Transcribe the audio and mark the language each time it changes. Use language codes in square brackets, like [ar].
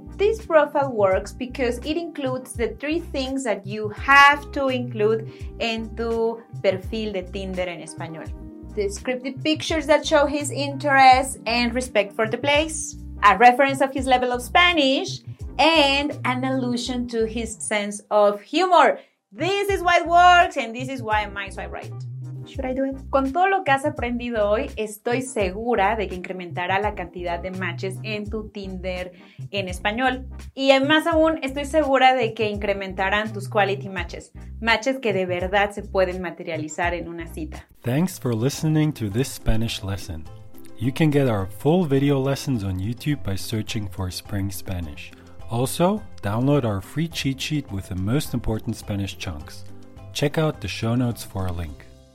[en] This profile works because it includes the three things that you have to include in [es] tu perfil de Tinder en español. [en] Descriptive pictures that show his interest and respect for the place, a reference of his level of Spanish, and an allusion to his sense of humor. This is why it works and this is why I might swipe right. Should I do it? [es] Con todo lo que has aprendido hoy, estoy segura de que incrementará la cantidad de matches en tu Tinder en español. Y más aún, estoy segura de que incrementarán tus [en] quality matches. [es] Matches que de verdad se pueden materializar en una cita. [en] Thanks for listening to this Spanish lesson. You can get our full video lessons on YouTube by searching for Spring Spanish. Also, download our free cheat sheet with the most important Spanish chunks. Check out the show notes for a link.